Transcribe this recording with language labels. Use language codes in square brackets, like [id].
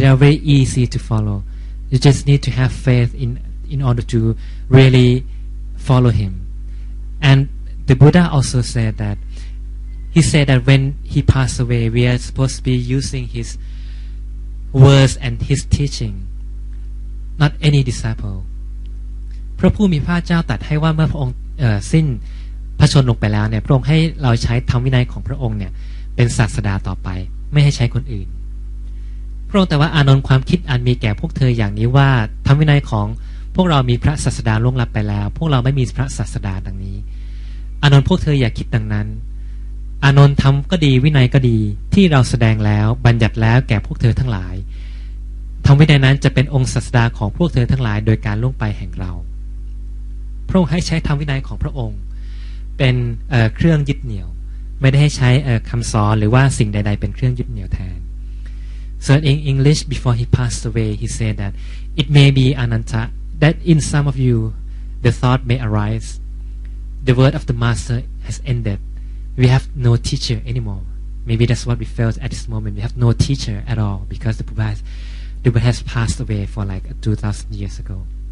[en] They are very easy to follow. You just need to have faith in order to really follow him. And the Buddha also said that. He said that when he passed away, we are supposed to be using his words and his teaching, not any disciple. [th] พระผู้มีพระเจ้าตรัสให้ว่าเมื่อพระองค์สิ้นพระชนลงไปแล้วเนี่ยพระองค์ให้เราใช้ธรรมวินัยของพระองค์เนี่ยเป็นศาสดาต่อไปไม่ให้ใช้คนอื่น พระองค์แต่ว่าอานนท์ความคิดอันมีแก่พวกเธออย่างนี้ว่าธรรมวินัยของพวกเรามีพระศาสดาล่วงลับไปแล้วพวกเราไม่มีพระศาสดาดังนี้อานนท์พวกเธออย่าคิดดังนั้นอานนท์ธรรมก็ดีวินัยก็ดีที่เราแสดงแล้วบัญญัติแล้วแก่พวกเธอทั้งหลายธรรมวินัยนั้นจะเป็นองค์ศาสดาของพวกเธอทั้งหลายโดยการล่วงไปแห่งเราพระองค์ให้ใช้ธรรมวินัยของพระองค์เป็นเครื่องยึดเหนี่ยว ไม่ได้ใช้คำสอนหรือว่าสิ่งใดๆเป็นเครื่องยึดเหนี่ยวแทน [en] So in English before he passed away he said that it may be ananta that in some of you the thought may arise the word of the master has ended we have no teacher anymore maybe that's what we felt at this moment we have no teacher at all because the Buddha has passed away for like 2000 years ago